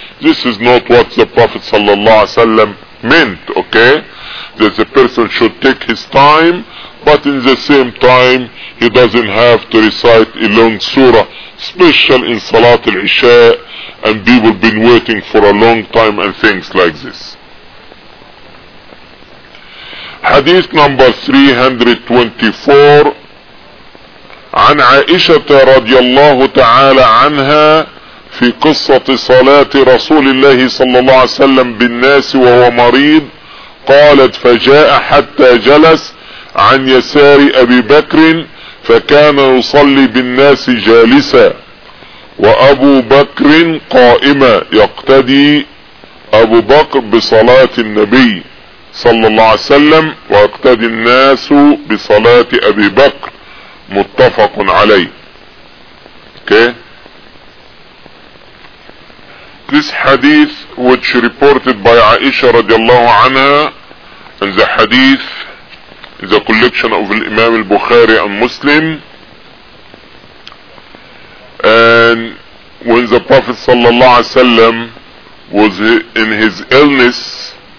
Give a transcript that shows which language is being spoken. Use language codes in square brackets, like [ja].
[en] This is not what the Prophet sallallahu alaihi wasallam meant, okay? That the person should take his time, but in the same time he doesn't have to recite a long surah, special in Salat al-Isha, and people been waiting for a long time and things like this. Hadith number 324 [ar] عن عائشة رضي الله تعالى عنها في قصة صلاة رسول الله صلى الله عليه وسلم بالناس وهو مريض قالت فجاء حتى جلس عن يسار أبي بكر فكان يصلي بالناس جالسا وأبو بكر قائما يقتدي أبو بكر بصلاة النبي صلى الله عليه وسلم ويقتدي الناس بصلاة أبي بكر متفق عليه. [en] Okay. This hadith which reported by Aisha radiallahu anha and the hadith is a collection of Imam al-Bukhari and Muslim, and when the Prophet sallallahu alaihi wasallam was in his illness,